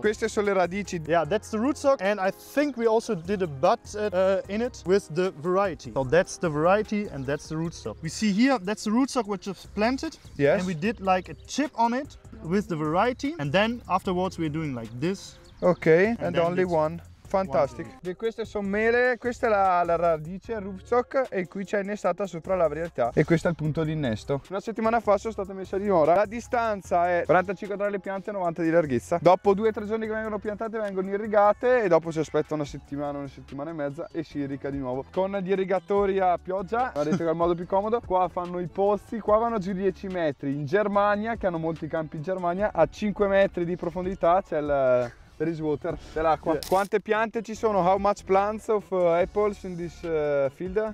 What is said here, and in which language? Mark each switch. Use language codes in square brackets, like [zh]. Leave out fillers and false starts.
[it] Queste sono le radici. [en] Yeah, that's the rootstock. And I think we also did a bud in it with the variety. So that's the variety and that's the rootstock. We see here, that's the rootstock which is planted. Yes. And we did like a chip on it with the variety. And then afterwards we're doing like this. Okay, and only one. Fantastic. [it] E queste sono mele, questa è la radice rootstock e qui c'è innestata sopra la varietà e questo è il punto di innesto. Una settimana fa sono stata messa a dimora. La distanza è 45 tra le piante e 90 di larghezza. Dopo 2-3 giorni che vengono piantate vengono irrigate e dopo si aspetta una settimana e mezza e si irriga di nuovo. Con gli irrigatori a pioggia, ho detto che è il modo più comodo, qua fanno i pozzi, qua vanno giù 10 metri. In Germania, che hanno molti campi in Germania, a 5 metri di profondità c'è il... [en] There is water, [it] dell'acqua. [en] Yeah. [it] Quante piante ci sono? [en] How much plants of apples in this field?